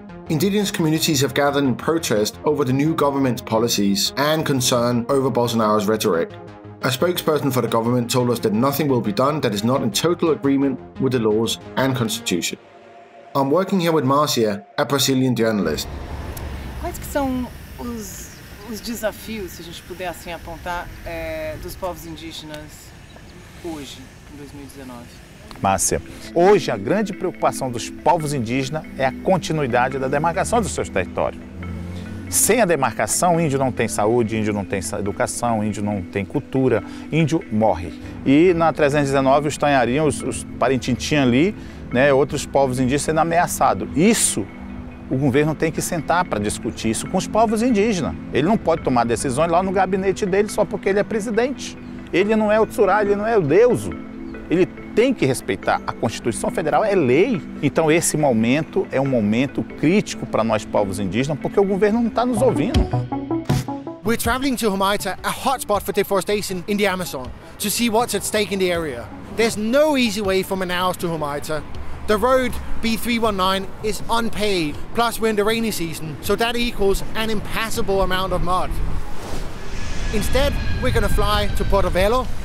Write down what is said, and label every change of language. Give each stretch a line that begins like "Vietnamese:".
English: Indigenous communities have gathered in protest over the new government's policies and concern over Bolsonaro's rhetoric. A spokesperson for the government told us that nothing will be done that is not in total agreement with the laws and constitution. I'm working here with Marcia, a Brazilian journalist.
Portuguese: Quais que são os desafios, se a gente puder assim apontar, dos povos indígenas hoje, em 2019? Márcia, hoje a grande preocupação dos povos indígenas é a continuidade da demarcação dos seus territórios. Sem a demarcação, índio não tem saúde, índio não tem educação, índio não tem cultura, índio morre. E na 319, os tanharinhos, os parintintinhos ali, né, outros povos indígenas sendo ameaçados. Isso o governo tem que sentar para discutir isso com os povos indígenas. Ele não pode tomar decisões lá no gabinete dele só porque ele é presidente. Ele não é o Tsurá, ele não é o deuso. Ele tem que respeitar a Constituição Federal, é lei. Então esse momento é um momento crítico para nós povos indígenas, porque o governo não está nos ouvindo.
English: We're traveling to Humaita, a hotspot for deforestation in the Amazon, to see what's at stake in the area. There's no easy way from Manaus to Humaita. The road B319 is unpaved, plus we're in the rainy season, so that equals an impassable amount of mud. Instead, we're going to fly to Porto Velho